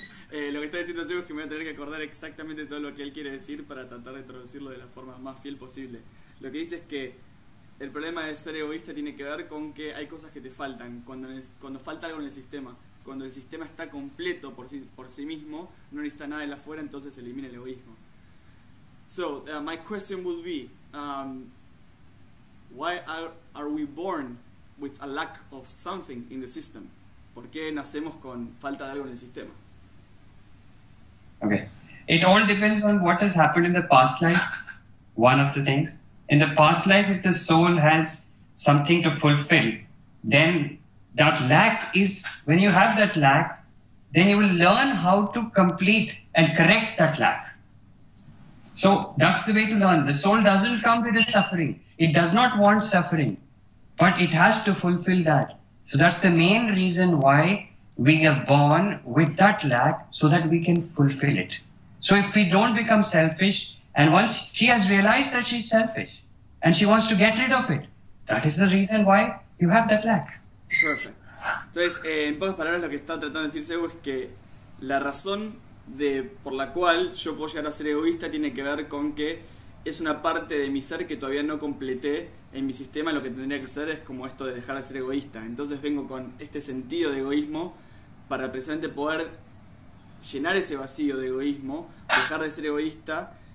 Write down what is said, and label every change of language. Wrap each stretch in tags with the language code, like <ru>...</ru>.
<es>Lo que está diciendo Seu es que me voy a tener que acordar exactamente todo lo que él quiere decir para tratar de traducirlo de la forma más fiel posible. Lo que dice es que el problema de ser egoísta tiene que ver con que hay cosas que te faltan. Cuando falta algo en el sistema, cuando el sistema está completo por sí mismo, no necesita nada de afuera, entonces elimina el egoísmo.</es> <en>So my question would be, why are we born with a lack of something in the system?</en> <es>¿Por qué nacemos con falta de algo en el sistema?</es> <en>Okay, it all depends on what has happened in the past life. One of the things in the past life, if the soul has something to fulfill, then that lack is, when you have that lack, then you will learn how to complete and correct that lack. So that's the way to learn. The soul doesn't come with the suffering. It does not want suffering, but it has to fulfill that. So that's the main reason why we are born with that lack, so that we can fulfill it. So if we don't become selfish, and once she has realized that she's selfish and she wants to get rid of it, that is the reason why you have that lack. Perfect.</en> <es>Entonces, en pocas palabras, lo que está tratando de decir Seu es que la razón de por la cual yo puedo llegar a ser egoísta tiene que ver con que es una parte de mi ser que todavía no completé en mi sistema. Lo que tendría que ser es como esto de dejar de ser egoísta. Entonces vengo con este sentido de egoísmo para precisamente poder llenar ese vacío de egoísmo, dejar de ser egoísta</es>